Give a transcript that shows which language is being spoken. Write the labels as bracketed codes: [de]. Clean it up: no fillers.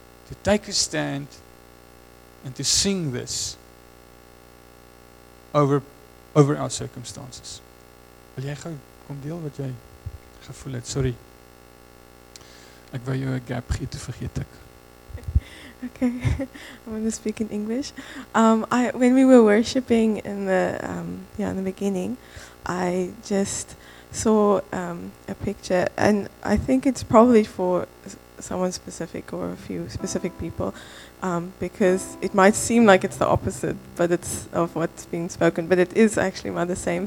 [en] To take a stand and to sing this over our circumstances. [af] Wil jy gou kom deel wat jy gevoel het? Sorry. Ek wou jou 'n gap gee, te vergeet ek. [en] Okay, I'm going to speak in English. When we were worshiping in the beginning, I just saw a picture, and I think it's probably for someone specific or a few specific people, because it might seem like it's the opposite, but it's of what's being spoken, but it is actually more the same.